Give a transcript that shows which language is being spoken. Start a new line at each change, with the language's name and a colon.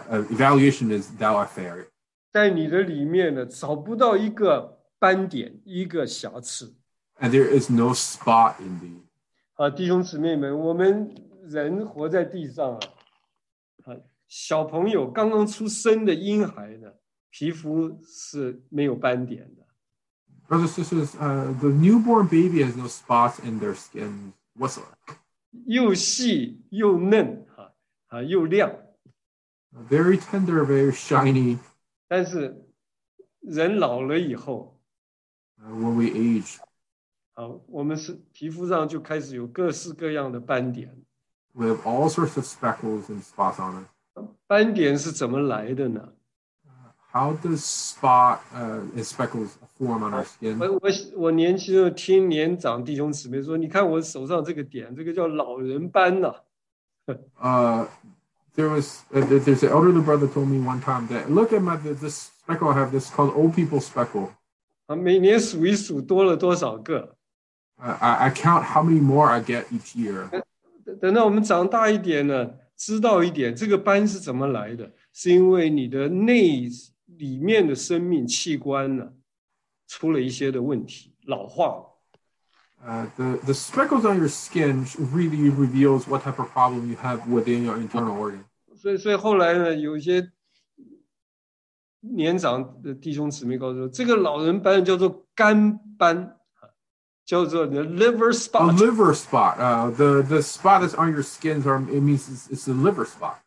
English: Evaluation is thou art fair.
Chinese: 在你的里面呢，找不到一个斑点，一个瑕疵。
English: And there is no spot in thee.
Chinese: 弟兄姊妹们，我们人活在地上小朋友刚刚出生的婴孩呢，皮肤是没有斑点的。
English: Brothers, sisters, the newborn baby has no spots in their skin whatsoever.
Chinese: 又细又嫩又亮。
English: Very tender, very shiny.
Chinese: 但是人老了以后。
English: When we age.
Chinese: 我们是皮肤上就开始有各式各样的斑点。
English: We have all sorts of speckles and spots on it.
Chinese: 斑点是怎么来的呢？
English: How does spot and speckles form on our skin?
Chinese: 我年轻的听年长弟兄姊妹说，你看我手上这个点，这个叫老人斑呐。
English: There's an elderly brother told me one time that look at my this speckle I have. This is called old people speckle.
Chinese: 每年数一数多了多少个。
English: I count how many more I get each year.
Chinese: 等到我们长大一点呢，知道一点这个斑是怎么来的，是因为你的内里面的生命器官呢出了一些的问题，老化了。
English: The speckles on your skin really reveals what type of problem you have within your internal organ.
Chinese: 所以后来呢，有些年长的弟兄姊妹告诉我，这个老人斑叫做肝斑，叫做
English: liver spot. A liver spot. The spot that's on your skin, it means it's a liver spot.